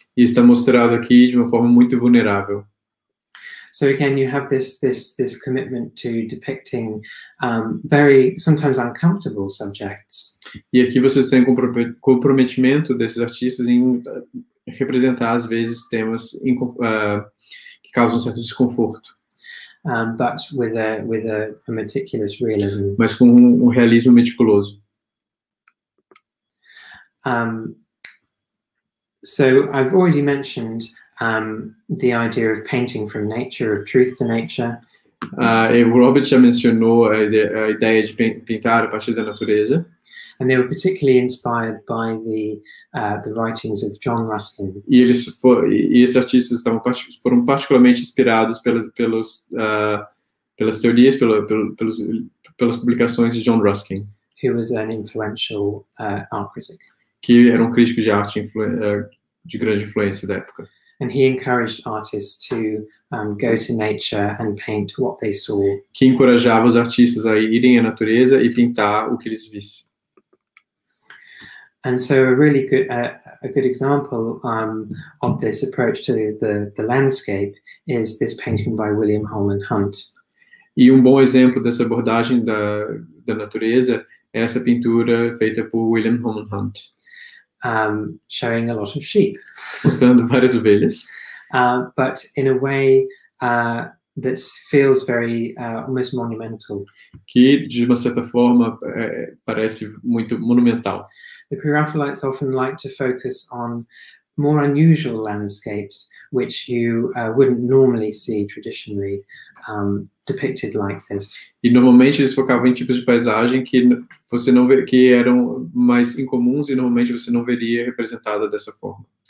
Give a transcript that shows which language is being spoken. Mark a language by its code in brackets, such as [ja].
[pt] E está mostrado aqui de uma forma muito vulnerável. [en] So again, you have this commitment to depicting very sometimes uncomfortable subjects. [pt] E aqui vocês têm comprometimento desses artistas em representar às vezes temas que causam um certo desconforto. [en] But with a meticulous realism. [pt] Mas com um realismo meticuloso. [en] So I've already mentioned the idea of painting from nature, of truth to nature. [pt] O Robert já mencionou a ideia de pintar a partir da natureza. [en] And they were particularly inspired by the writings of John Ruskin. [pt] E eles esses artistas foram particularmente inspirados pelas teorias, pelas publicações de John Ruskin. [en] Who was an influential art critic. [pt] Que era um crítico de arte de grande influência da época. [en] And he encouraged artists to go to nature and paint what they saw. [pt] Que encorajava os artistas a irem à natureza e pintar o que eles vissem. [en] And so a really good example of this approach to the landscape is this painting by William Holman Hunt. [pt] E bom exemplo dessa abordagem da natureza é essa pintura feita por William Holman Hunt. [en] Showing a lot of sheep. [pt] Mostrando várias ovelhas. [en] But in a way that feels very almost monumental. [pt] Que de uma certa forma parece muito monumental. [en] The Pre-Raphaelites often like to focus on more unusual landscapes, which you wouldn't normally see traditionally depicted like this. [pt] E normalmente eles focavam em tipos de paisagem que eram mais incomuns e normalmente você não veria representada dessa forma.